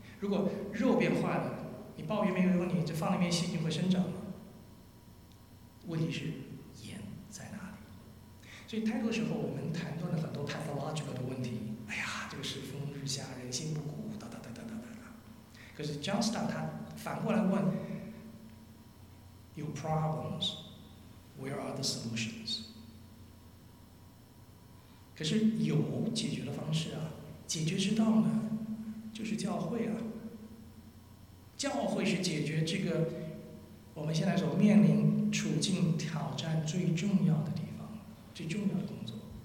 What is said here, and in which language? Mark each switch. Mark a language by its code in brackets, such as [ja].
[zh] 如果肉变坏了，你抱怨没有用，你这放那边细菌会生长吗？问题是盐在哪里？所以太多时候我们谈论了很多 pathological 的问题，哎呀，这个世风日下，人心不古，哒哒哒哒哒哒哒。可是 [en] John Stott [zh] 他反过来问 [en] ：Your problems, where are the solutions？ [zh] 可是有解决的方式啊，解决之道呢，就是教会啊。教会是解决这个我们现在所面临处境挑战最重要的地方，最重要的工作。